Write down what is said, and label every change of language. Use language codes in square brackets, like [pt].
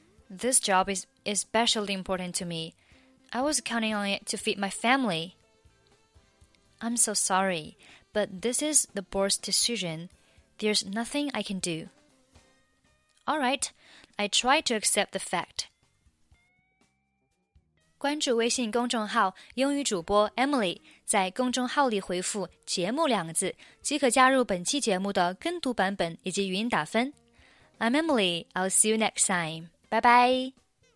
[en] This job is especially important to me. I was counting on it to feed my family. I'm so sorry, but this is the board's decision. There's nothing I can do. All right, I try to accept the fact. [zh] 关注微信公众号“英语主播 Emily”， 在公众号里回复“节目”两个字，即可加入本期节目的跟读版本以及语音打分。 [en] I'm Emily. I'll see you next time. Bye bye.